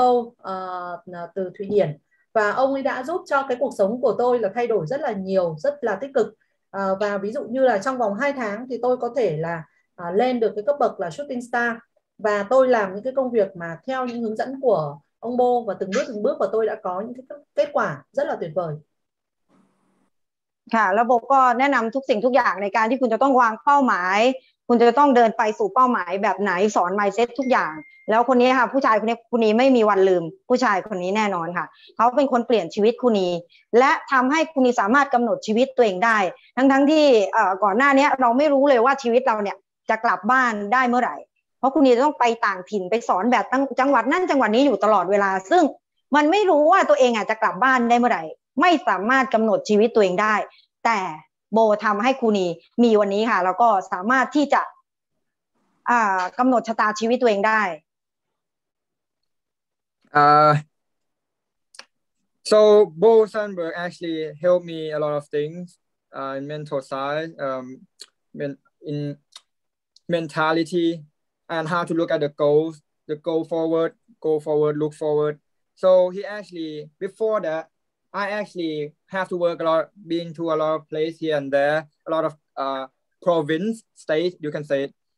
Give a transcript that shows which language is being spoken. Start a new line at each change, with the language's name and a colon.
Vietnamese: Bo từ Thụy Điển và ông ấy đã giúp cho cái cuộc sống của tôi là thay đổi rất là nhiều rất là tích cực và ví dụ như là trong vòng 2 tháng thì tôi có thể là lên được cái cấp bậc là shooting star và tôi làm những cái công việc mà theo những hướng dẫn của ông Bo và từng bước của tôi đã có những cái kết quả rất là tuyệt vời
Thai: ค่ะแล้วโบก็แนะนำทุกสิ่งทุกอย่างในการที่คุณจะต้องวางเป้าหมายคุณจะต้องเดินไปสู่เป้าหมายแบบไหนสอน mindset ทุกอย่างแล้วคนนี้ค่ะผู้ชายคนนี้คุณนี้ไม่มีวันลืมผู้ชายคนนี้แน่นอนค่ะเขาเป็นคนเปลี่ยนชีวิตคุณนี้และทำให้คุณนี้สามารถกำหนดชีวิตตัวเองได้ทั้งที่ ก่อนหน้านี้เราไม่รู้เลยว่าชีวิตเราเนี่ยจะกลับบ้านได้เมื่อไหร่เพราะคุณนี้ต้องไปต่างถิ่นไปสอนแบบตั้งจังหวัดนั่นจังหวัดนี้อยู่ตลอดเวลาซึ่งมันไม่รู้ว่าตัวเองอ่ะจะกลับบ้านได้เมื่อไหร่ไม่สามารถกำหนดชีวิตตัวเองได้แต่โบทำให้คุณีมีวันนี้ค่ะแล้วก็สามารถที่จะกำหนดชะตาชีวิตตัวเองได้
English: So Bo Sandberg actually helped me a lot of things in mental side in mentality and how to look at the goal forward look forward so he actually before thatI actually have to work a lot, been to a lot of place here and there, a lot of province, state, you can say it.